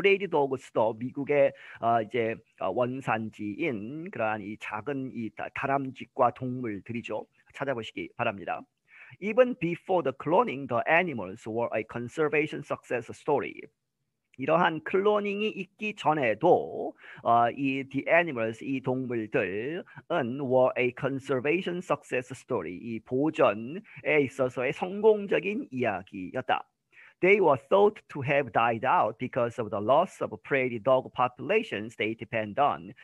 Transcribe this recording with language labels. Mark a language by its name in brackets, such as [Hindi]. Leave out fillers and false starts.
[Korean] 프레이리 도그스도 미국의 이제 원산지인 그러한 이 작은 이 다람쥐과 동물들이죠. 찾아보시기 바랍니다. [English] Even before the cloning, the animals were a conservation success story. [Korean] 이러한 클로닝이 있기 전에도 이 [English] the animals [Korean] 이 동물들은 [English] were a conservation success story. [Korean] 이 보존에 있어서의 성공적인 이야기였다. [English] They were thought to have died out because of the loss of prairie dog populations they depend on.